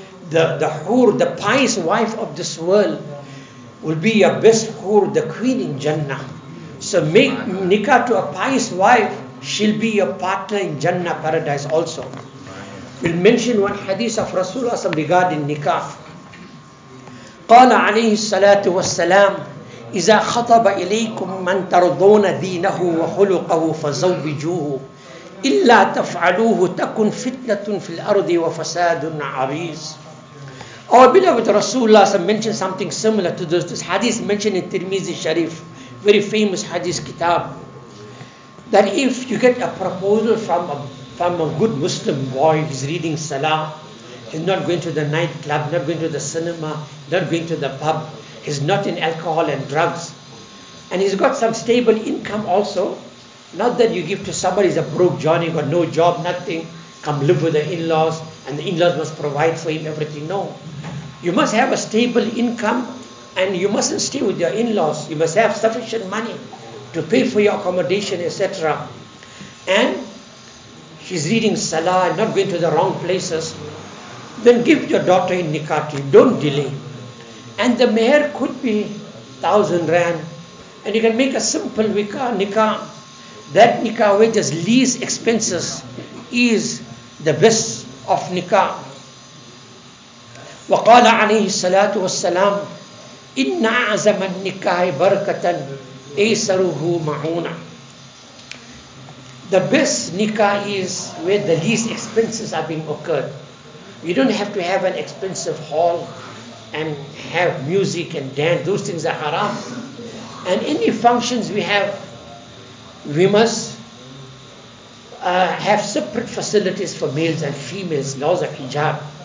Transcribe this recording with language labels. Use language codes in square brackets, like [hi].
[en] The hoor, the pious wife of this world, will be your best hoor, the queen in Jannah. So make nikah to a pious wife She'll be your partner in Jannah, paradise also. We'll mention one hadith of Rasulullah regarding nikah. [ar] قال عليه الصلاة والسلام إذا خطب إليكم من ترضون دينه وخلقه فزوجوه إلا تفعلوه تكن فتنة في الأرض وفساد عريض. [en] Our beloved Rasulullah has mentioned something similar to this. This hadith mentioned in Tirmizi Sharif, very famous hadith kitab, that if you get a proposal from a good Muslim boy, he's reading Salah, he's not going to the nightclub, not going to the cinema, not going to the pub, he's not in alcohol and drugs, and he's got some stable income also, not that you give to somebody who's a broke Johnny, got no job, nothing, come live with the in-laws, and the in-laws must provide for him everything. No. You must have a stable income, and you mustn't stay with your in-laws. You must have sufficient money to pay for your accommodation, etc. And she's reading Salah, not going to the wrong places. Then give your daughter in nikah to him. Don't delay. And the mehr could be 1,000 rand. And you can make a simple nikah. That nikah where just least expenses is the best of nikah. [ar] وقال عليه الصلاة والسلام إن أعظم النكاح بركة أيسره معونة. [en] The best nikah is where the least expenses are being occurred. You don't have to have an expensive hall and have music and dance. Those things are haram. And any functions we have, we must have separate facilities for males and females, laws of hijab.